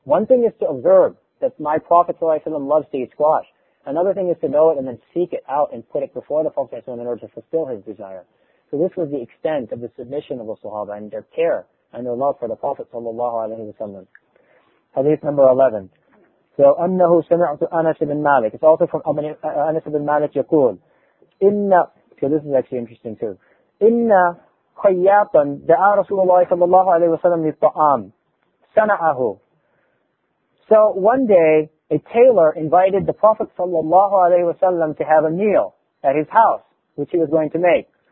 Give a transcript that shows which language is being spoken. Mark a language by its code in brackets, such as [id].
[en] One thing is to observe that my Prophet ﷺ loves to eat squash. Another thing is to know it and then seek it out and put it before the Prophet in order to fulfill his desire. So this was the extent of the submission of the Sahaba and their care and their love for the Prophet ﷺ. Hadith number 11. So, [ar] أَنَّهُ سَمِعْتُ أَنَسِ بِن مَالِكِ. [en] It's also from Anas ibn Malik [ar] يَقُولُ إِنَّ. [en] So this is actually interesting too. [ar] إِنَّ خَيَّاطًا دَعَى رَسُولُ اللَّهِ صَلَى اللَّهُ عَلَيْهِ وَسَلَّمْ لِلطَّعَامِ سَمَعَهُ. [en] So one day, a tailor invited the Prophet sallallahu alaihi wasallam to have a meal at his house, which he was going to make.